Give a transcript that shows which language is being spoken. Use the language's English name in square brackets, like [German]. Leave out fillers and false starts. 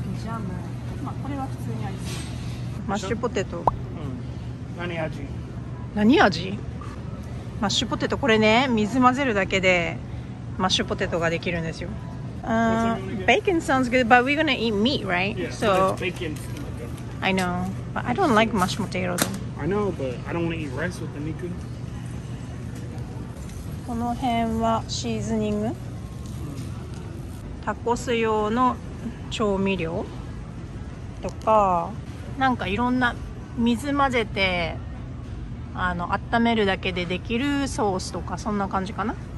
[Japanese] パンケーキミックス、ジャム、まあ、これは普通にあります。マッシュポテト、うん、何味？マッシュポテト、これね、水混ぜるだけでマッシュポテトができるんですよ。 [English] Bacon sounds good, but we're gonna eat meat, right? Yeah, so bacon. I know, but I don't like mashed potato. I know, but I don't wanna eat rice with the meat. [Japanese] この辺はシーズニング。タコス用の調味料とか、なんかいろんな水混ぜてあの温めるだけでできるソースとか、そんな感じかな。